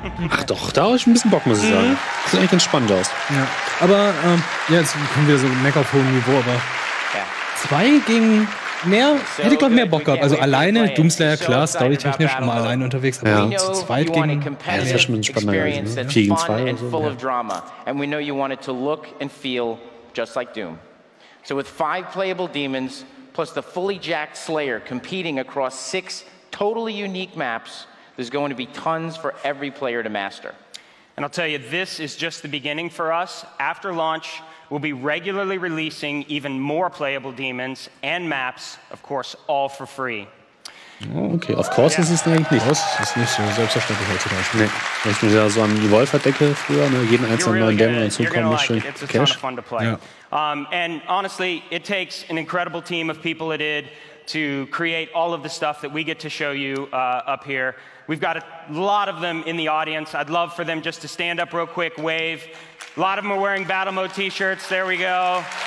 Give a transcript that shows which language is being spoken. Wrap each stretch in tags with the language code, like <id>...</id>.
<de>Ach doch, da habe ich ein bisschen Bock, muss ich sagen. Das sieht echt entspannt aus. Ja, aber jetzt kommen wir so Mech auf hohem Niveau, aber zwei gegen mehr, hätte ich glaube mehr Bock gehabt. Also alleine, Doomslayer, klar, storytechnisch immer allein unterwegs, aber zu zweit gegen, ja, das wäre schon ein spannender gewesen, ne? 4 gegen 2 oder so.</de> <en>And we know you want it to look and feel just like Doom. So with 5 playable demons plus the fully jacked Slayer competing across 6 totally unique maps, there's going to be tons for every player to master. And I'll tell you, this is just the beginning for us. After launch, we'll be regularly releasing even more playable demons and maps, of course, all for free. Oh, okay, of course, yeah.</en> <de>Ist es eigentlich nicht. Das ist nicht so selbstverständlich heute. Nee, ich bin ja so an die Wolferdecke früher, ne? Jeden einzelnen neuen Dämon dazukommen, das ist schön.</de> <en>It's a ton of fun to play. Yeah. And honestly, it takes an incredible team of people at id to create all of the stuff that we get to show you up here. We've got a lot of them in the audience. I'd love for them just to stand up real quick, wave. A lot of them are wearing Battle Mode t-shirts. There we go.</en>